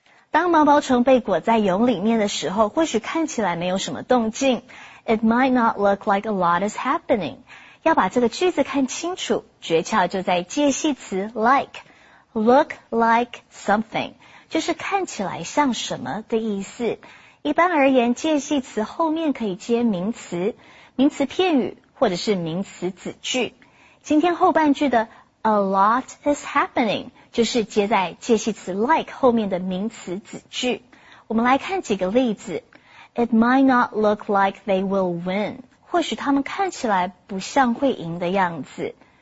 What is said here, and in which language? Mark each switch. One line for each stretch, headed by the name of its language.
Chinese: 当毛毛虫被裹在蛹里面的时候，或许看起来没有什么动静。
English: It might not look like a lot is happening.
Chinese: 要把这个句子看清楚，诀窍就在介系词 like. Look like something 就是看起来像什么的意思。一般而言，介系词后面可以接名词、名词片语或者是名词子句。今天后半句的
English: a lot is happening
Chinese: 就是接在介系词 like 后面的名词子句。我们来看几个例子。
English: It might not look like they will win.
Chinese: 或许他们看起来不像会赢的样子。